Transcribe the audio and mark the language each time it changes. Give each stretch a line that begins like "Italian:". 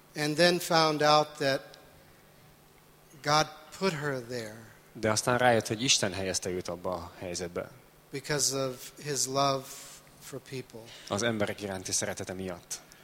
English: And then found out that God put her there.
Hungarian: De aztán rájött, hogy Isten helyezte őt abba a helyzetbe.
English: Because of his love for people.
Hungarian: Az emberek iránti szeretete miatt.